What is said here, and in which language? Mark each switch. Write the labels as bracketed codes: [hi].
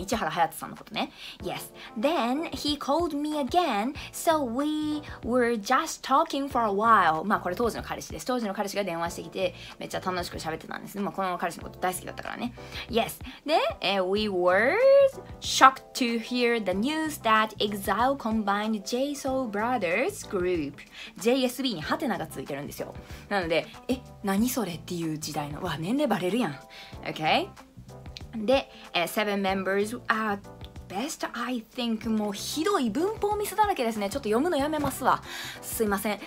[ja] 市原隼人さんのことね。 [en] Yes. Then he called me again. So we were just talking for a while. [ja] まあこれ当時の彼氏です。当時の彼氏が電話してきて、めっちゃ楽しく喋ってたんですね。まあこの彼氏のこと大好きだったからね。 [en] Yes. で、we were shocked to hear the news that EXILE combined JSOUL Brothers group. [ja] JSB にハテナがついてるんですよ。なので、え、何それっていう時代の、わ、年齢バレるやん。 [en] OK。 で、7 members are best, I think. [ja] もうひどい文法ミスだらけですね。ちょっと読むのやめますわ。すいません。